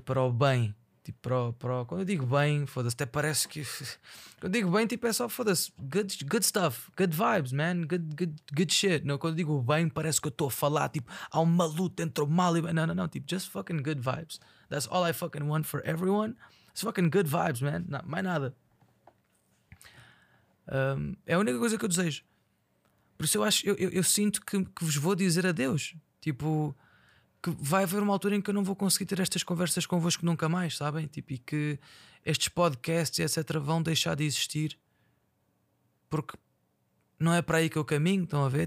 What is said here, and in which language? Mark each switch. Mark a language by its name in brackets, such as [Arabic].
[Portuguese] Para o bem, tipo, quando eu digo bem, foda-se, até parece que quando eu digo bem, tipo, é só foda-se, [English] good stuff, good vibes, man, good shit. [Portuguese] Não, quando eu digo bem, parece que eu estou a falar, tipo, há uma luta entre o mal e bem. Não, tipo, [English] just fucking good vibes. That's all I fucking want for everyone. It's fucking good vibes, man. [Portuguese] Não, mais nada. É a única coisa que eu desejo. Por isso eu acho, eu sinto que vos vou dizer adeus. Tipo, que vai haver uma altura em que eu não vou conseguir ter estas conversas convosco nunca mais, sabem? Tipo, e que estes podcasts, etc., vão deixar de existir, porque não é para aí que eu caminho, estão a ver?